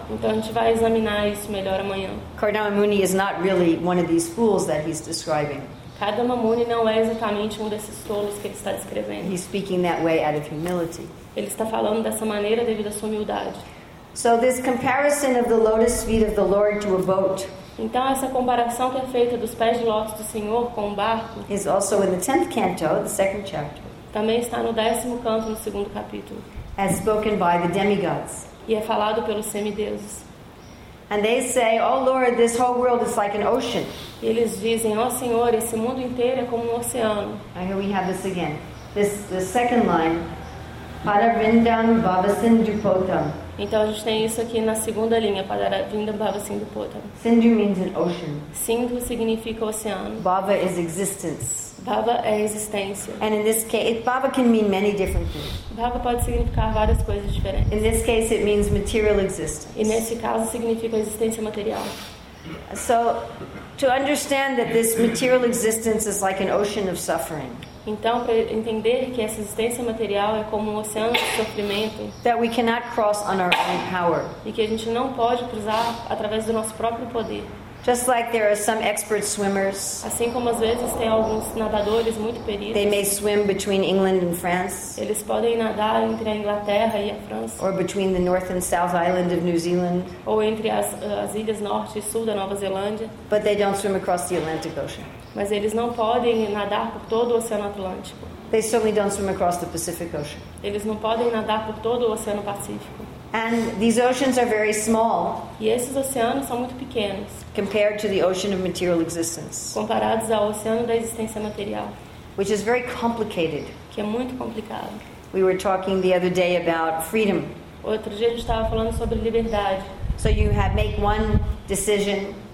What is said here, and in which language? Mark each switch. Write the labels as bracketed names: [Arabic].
[Portuguese] Então, a gente vai examinar isso melhor amanhã. [English] Kardama Muni is not really one of these fools that he's describing. [Portuguese] Kardama Muni não é exatamente um desses tolos que ele está descrevendo. [English] He's speaking that way out of humility. [Portuguese] Ele está falando dessa maneira devido à sua humildade. [English] So this comparison of the lotus feet of the Lord to a boat. [Portuguese] Então essa comparação que é feita dos pés de lótus do Senhor com um barco. [English] Is also in the 10th canto, the second chapter. [Portuguese] Também está no 10º canto, no 2º capítulo. [English] As spoken by the demigods. [Portuguese] E é falado pelos semideuses. [English] And they say, "Oh Lord, this whole world is like an ocean." [Portuguese] Eles dizem, "Oh Senhor, esse mundo inteiro é como um oceano." [English] And here we have this again. The second line, [Sanskrit] "Paravindam bhavasindupotam." [Portuguese] Então a gente tem isso aqui na segunda linha, [Sanskrit] "Paravindam bhavasindupotam." [English] Sindhu means an ocean. [Portuguese] Sindhu significa oceano. [English] Bhava is existence. [Portuguese] Bhava é existência. [English] And in this case, bhava can mean many different things. [Portuguese] Bhava pode significar várias coisas diferentes. [English] In this case, it means material existence. [Portuguese] E nesse caso, significa existência material. [English] So, to understand that this material existence is like an ocean of suffering. [Portuguese] Então, para entender que essa existência material é como um oceano de sofrimento. [English] That we cannot cross on our own power. [Portuguese] E que a gente não pode cruzar através do nosso próprio poder. [English] Just like there are some expert swimmers. [Portuguese] Assim como às vezes tem alguns nadadores muito peritos. [English] They may swim between England and France. [Portuguese] Eles podem nadar entre a Inglaterra e a França. [English] Or between the North and South Island of New Zealand. [Portuguese] Ou entre as ilhas Norte e Sul da Nova Zelândia. [English] But they don't swim across the Atlantic Ocean. [Portuguese] Mas eles não podem nadar por todo o Oceano Atlântico. [English] They certainly don't swim across the Pacific Ocean. [Portuguese] Eles não podem nadar por todo o Oceano Pacífico. [English] And these oceans are very small. [Portuguese] E esses oceanos são muito pequenos. [English] Compared to the ocean of material existence. [Portuguese] Comparados ao oceano da existência material. [English] Which is very complicated. [Portuguese] Que é muito complicado. [English] We were talking the other day about freedom. [Portuguese] Outro dia a gente estava falando sobre liberdade. [English] So you have make one decision.